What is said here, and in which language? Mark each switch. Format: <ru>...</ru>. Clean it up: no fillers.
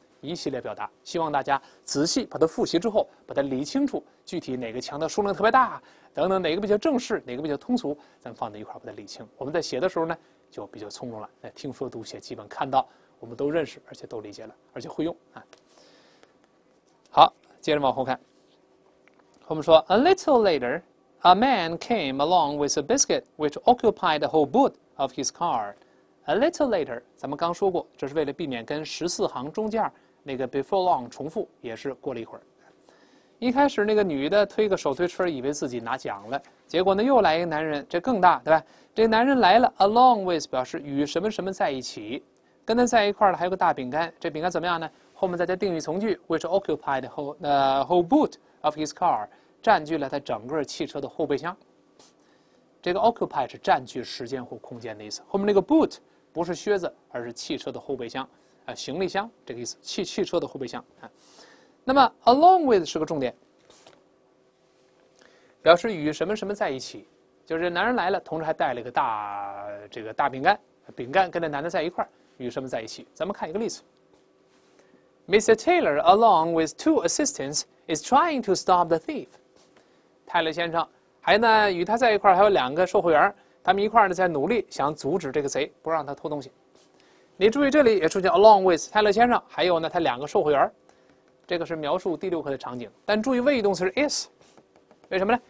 <zh>一系列表达，希望大家仔细把它复习之后，把它理清楚，具体哪个强调数量特别大，等等哪个比较正式，哪个比较通俗，咱放在一块儿把它理清。我们在写的时候呢，就比较从容了。那听说读写基本看到，我们都认识，而且都理解了，而且会用啊。好，接着往后看。我们说</zh> <en>，A little later, a man came along with a biscuit which occupied the whole boot of his car. A little later，</en> <zh>咱们刚说过，这是为了避免跟14行中间那个 before long 重复，也是过了一会儿。一开始那个女的推个手推车，以为自己拿奖了，结果呢又来一个男人，这更大，对吧？这男人来了 ，along with 表示与什么什么在一起，跟他在一块儿的还有个大饼干，这饼干怎么样呢？后面再加定语从句 ，</zh> <en>which occupied whole boot of his car，</en> <zh>占据了他整个汽车的后备箱。这个 occupy 是占据时间或空间的意思，后面那个 boot。不是靴子，而是汽车的后备箱，行李箱这个意思，汽车的后备箱啊。那么 along with 是个重点，表示与什么什么在一起，就是男人来了，同时还带了一个大饼干，饼干跟着男的在一块与什么在一起？咱们看一个例子 ，Mr.</zh> <en>Taylor along with 2 assistants is trying to stop the thief。</en> <zh>泰勒先生还呢与他在一块还有两个售货员。他们一块儿呢在努力想阻止这个贼不让他偷东西。你注意这里也出现 along with 泰勒先生还有呢他两个售货员，这个是描述第6课的场景，但注意谓语动词是 is， 为什么呢？</zh>